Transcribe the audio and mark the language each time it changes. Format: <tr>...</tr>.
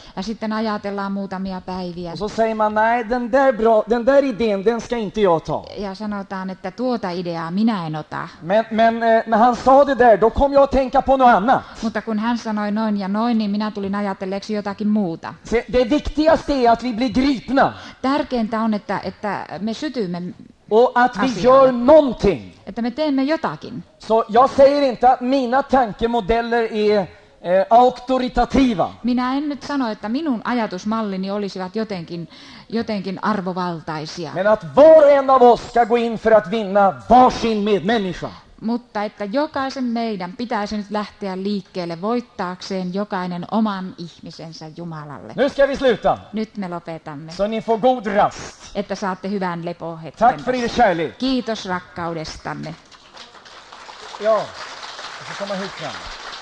<fi>Ja sitten ajatellaan muutamia päiviä.</fi> <sv>Och så säger man, nej, den där idén, den ska inte jag ta.</sv> <fi>Ja sanotaan, että tuota ideaa minä en ota.</fi> <sv>Men han sa det där, då kom jag att tänka på något annat.</sv> <fi>Mutta kun hän sanoi noin ja noin, niin minä tulin ajatelleeksi jotakin muuta.</fi> <sv>Se, det viktigaste är att vi blir gripna.</sv> <fi>Tärkeintä on, että me sytymme.</fi> <sv>Och att vi gör någonting.</sv> <fi>Että me teemme jotakin.</fi> <sv>Så jag säger inte att mina tankemodeller är auktoritativa.</sv> <fi>Minä en nyt sano, että minun ajatusmallini olisivat jotenkin arvovaltaisia.</fi> <sv>Men att var en av oss ska gå in för att vinna varsin medmänniska.</sv> <fi>Mutta että jokaisen meidän pitäisi nyt lähteä liikkeelle voittaakseen jokainen oman ihmisensä Jumalalle.</fi> <sv>Nu ska vi sluta.</sv> <fi>Nyt me lopetamme.</fi> <sv>Så ni får god rast.</sv> <fi>Että saatte hyvän lepohetken.</fi> <sv>Tack för er kärlek.</sv> <fi>Kiitos rakkaudestanne.</fi> <sv>Ja, jag ska komma hit framme.</sv>